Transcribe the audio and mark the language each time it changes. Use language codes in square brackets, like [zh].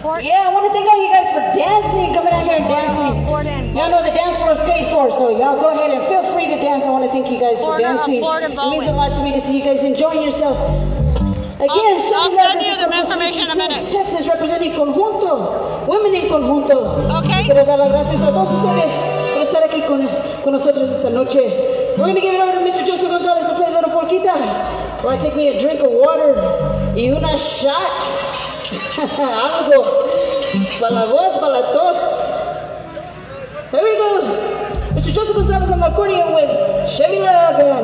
[en] Yeah, I want to thank all you guys for dancing, coming out here and dancing. Y'all know the dance floor is paid for, so y'all go ahead and feel free to dance. I want to thank you guys for dancing. It means a lot to me to see you guys enjoying yourself. Again, I'll send you the information in a minute. Texas representing Conjunto, Women in Conjunto. Okay. [es] Quiero dar las gracias a todos ustedes por estar aquí con nosotros esta noche. [en] We're going to give it over to Mr. Joseph Gonzalez to play a little porquita. Why take me a drink of water [es] y una [en] shot? [es] Algo. Para la voz, para la tos. [en] Here we go. [es] Mr. [en] Joseph Gonzalez on the accordion with Chevy Love.